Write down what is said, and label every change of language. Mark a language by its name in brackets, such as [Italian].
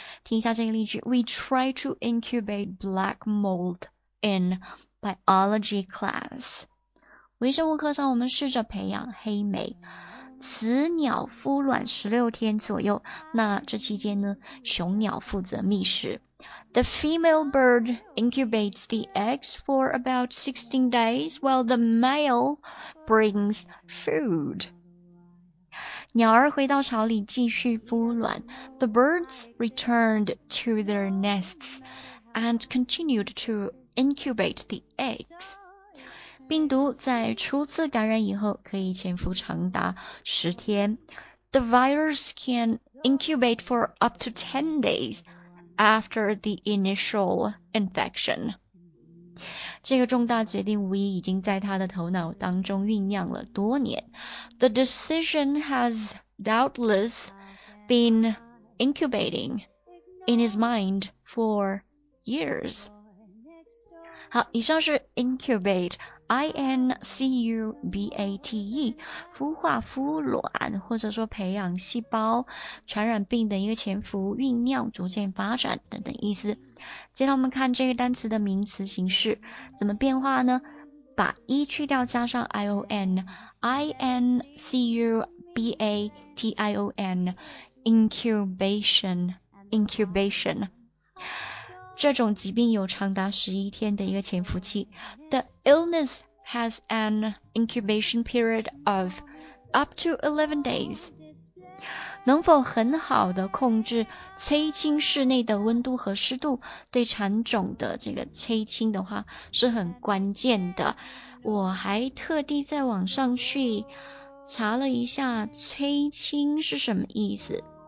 [Chinese] 听一下这个例句 [English] ，We try to incubate black mold in biology class。 [Chinese] 微生物课上我们试着培养黑莓，雌鸟孵卵16天左右，那这期间呢，雄鸟负责觅食。 [English] The female bird incubates the eggs for about 16 days while the male brings food. [Chinese] 鸟儿回到巢里继续孵卵。 [English] The birds returned to their nests and continued to incubate the eggs. [Chinese] 病毒在初次感染以后可以潜伏长达10天。 [English] The virus can incubate for up to 10 days. After the initial infection. [Chinese] 这个重大决定无疑已经在他的头脑当中酝酿了多年。 [English] The decision has doubtless been incubating in his mind for years. [Chinese] 好，以上是 incubate, I-N-C-U-B-A-T-E, 孵化孵卵或者说培养细胞传染病的一个潜伏酝酿逐渐发展等等意思。接下来我们看这个单词的名词形式怎么变化呢，把一去掉加上 I-O-N, I-N-C-U-B-A-T-I-O-N, incubation, incubation. 这种疾病有长达11天的一个潜伏期。 [English] The illness has an incubation period of up to 11 days. [Chinese] 能否很好的控制催青室内的温度和湿度，对蚕种的这个催青的话是很关键的。我还特地在网上去查了一下催青是什么意思。